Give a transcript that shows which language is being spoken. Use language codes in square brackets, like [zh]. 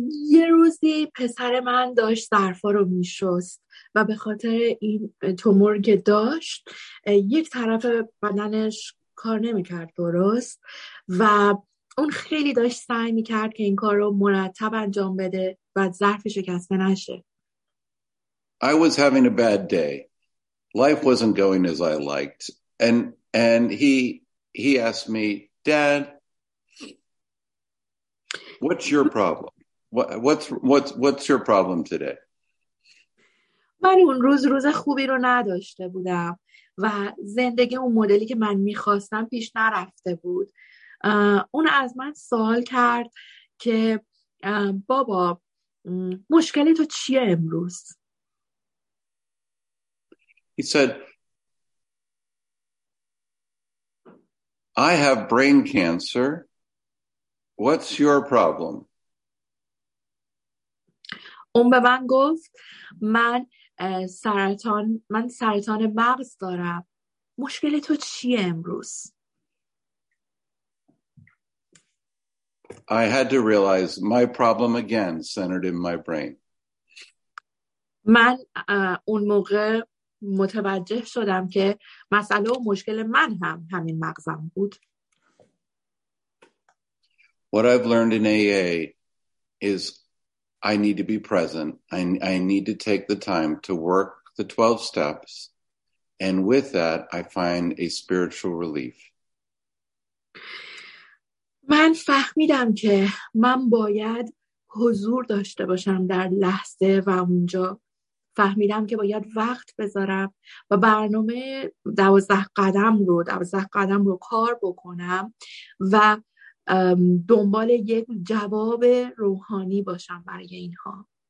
[fa] یه روزی پسر من داشت ظرفا رو می‌شست و به خاطر این تومور که داشت یک طرف بدنش کار نمی‌کرد درست و اون خیلی داشت سعی می‌کرد که این کار رو مرتب انجام بده و ظرف شکسته نشه. [en] I was having a bad day. Life wasn't going as I liked, and he asked me, "Dad, what's your problem? What's your problem today?" [fa] من اون روز خوبی رو نداشته بودم و زندگی اون مدلی که من می‌خواستم پیش نرفته بود. اون از من سوال کرد که بابا مشکل تو چیه امروز؟ [en] He said, I have brain cancer What's your problem? [fa] اون به من گفت من سرطان مغز دارم. مشکل تو چیه امروز؟ [en] I had to realize my problem again centered in my brain. [fa] من اون موقع متوجه شدم که مسئله و مشکل من هم همین مغزم بود. [en] What I've learned in AA is I need to be present. I need to take the time to work the 12 steps. And with that, I find a spiritual relief. [fa] من فهمیدم که من باید حضور داشته باشم در لحظه و اونجا. فهمیدم که باید وقت بذارم و برنامه 12 قدم رو کار بکنم و دنبال یک جواب روحانی باشم برای اینها.